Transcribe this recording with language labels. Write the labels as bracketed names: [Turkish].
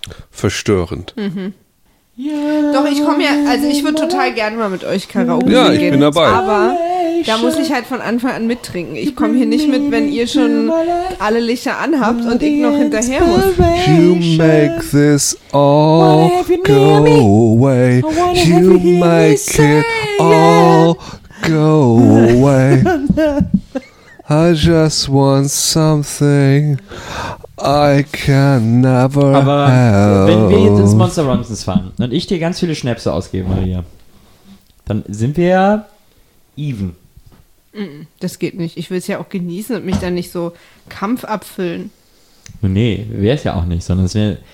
[German] Verstörend. Mhm. Yeah. Doch, ich komme ja, also ich würde total gerne mal mit euch Karaoke gehen. Ja, ich bin dabei. Aber da muss ich halt von Anfang an mittrinken. Ich komme hier nicht mit, wenn ihr schon alle Lichter anhabt und ich noch hinterher muss. [English] You make this all go away. You make it all go away. I just want something I can never aber help. [German] Wenn wir jetzt ins Monster Runs fahren und ich dir ganz viele Schnäpse ausgebe, Maria, dann sind wir ja even. Das geht nicht. Ich will es ja auch genießen und mich dann nicht so kampfabfüllen. Nee, wäre es ja auch nicht, sondern es wäre.